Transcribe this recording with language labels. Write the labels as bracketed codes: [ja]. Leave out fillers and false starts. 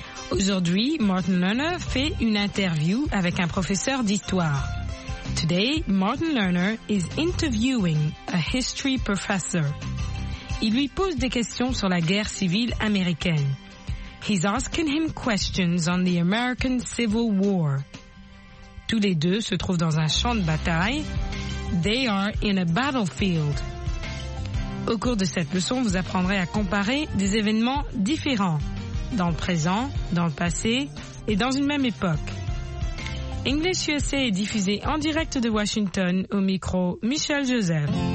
[fr] Aujourd'hui, Martin Lerner fait une interview avec un professeur d'histoire. [en] Today, Martin Lerner is interviewing a history professor. [fr] Il lui pose des questions sur la guerre civile américaine. [en] He's asking him questions on the American Civil War. [fr] Tous les deux se trouvent dans un champ de bataille. [en] They are in a battlefield. [fr] Au cours de cette leçon, vous apprendrez à comparer des événements différents. Dans le présent, dans le passé et dans une même époque. English USA est diffusé en direct de Washington au micro Michel Joseph.